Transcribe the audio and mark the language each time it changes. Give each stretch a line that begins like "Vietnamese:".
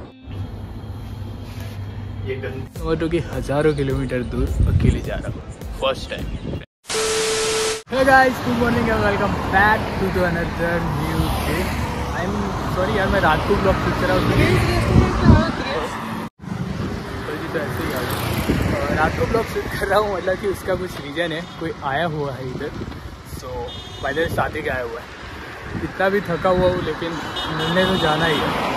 Hindi: Tomato के हजारों kilometre दूर अकेले जा रहा हूँ first time.
English: Hey guys, good morning and welcome back to the another new day. I'm sorry
Hindi: यार मैं रात को ब्लॉग खींच रहा हूँ क्योंकि रात को ब्लॉग शूट कर रहा हूँ मतलब कि उसका कुछ रीजन है, कोई आया हुआ है इधर, सो पहले शादी का आया हुआ है, इतना भी थका हुआ हूँ लेकिन मिलने तो जाना ही है।